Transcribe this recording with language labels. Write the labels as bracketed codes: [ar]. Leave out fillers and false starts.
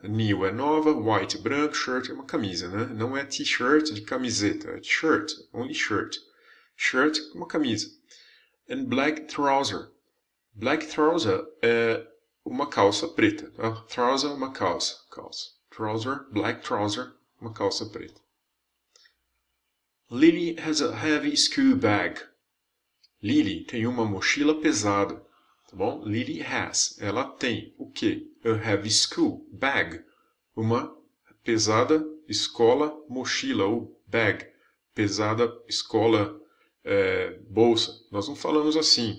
[pt] New é nova, white branco, shirt é uma camisa, né? Não é t-shirt de camiseta, é shirt, [en] only shirt. Shirt, [pt] uma camisa. [en] And black trouser. Black trouser [pt] é uma calça preta. Tá? Trouser, uma calça. Calça. Trouser, [en] black trouser, [pt] uma calça preta. [en] Lily has a heavy school bag. [pt] Lily tem uma mochila pesada. Tá bom? [en] Lily has. [pt] Ela tem o quê? [en] A heavy school bag. [pt] Uma pesada escola mochila, ou bag. Pesada escola bolsa. Nós não falamos assim.